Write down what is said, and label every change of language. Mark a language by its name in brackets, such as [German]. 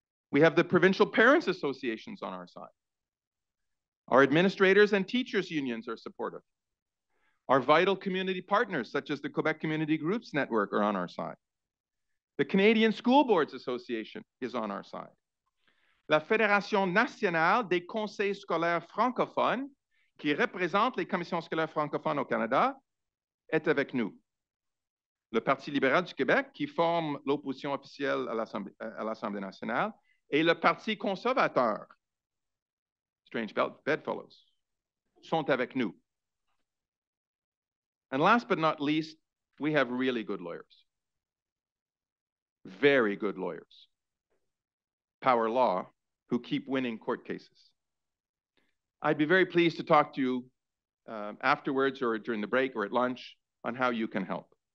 [English] We have the provincial parents' associations on our side. Our administrators and teachers' unions are supportive. Our vital community partners, such as the Quebec Community Groups Network, are on our side. The Canadian School Boards Association is on our side. [French] La Fédération Nationale des Conseils Scolaires Francophones, qui représente les commissions scolaires francophones au Canada, est avec nous. Le Parti libéral du Québec, qui forme l'opposition officielle à l'Assemblée nationale, et le Parti conservateur, [English] strange bedfellows, [French] sont avec nous. [English] And last but not least, we have really good lawyers. Very good lawyers. Power law, who keep winning court cases. I'd be very pleased to talk to you afterwards or during the break or at lunch on how you can help.